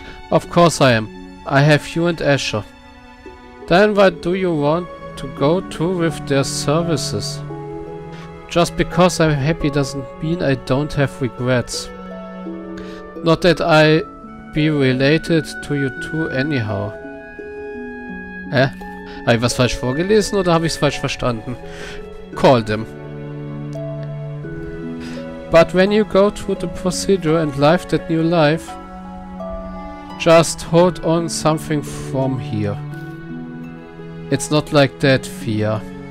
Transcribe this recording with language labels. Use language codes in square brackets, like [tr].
[en] Of course I am. I have you and Asher. Then what do you want to go to with their services? Just because I'm happy doesn't mean I don't have regrets. Not that I be related to you two anyhow. Hä? [de] Habe ich was falsch vorgelesen oder habe ich es falsch verstanden? [en] Call them. But when you go through the procedure and live that new life, just hold on something from here. It's not like that, Fia.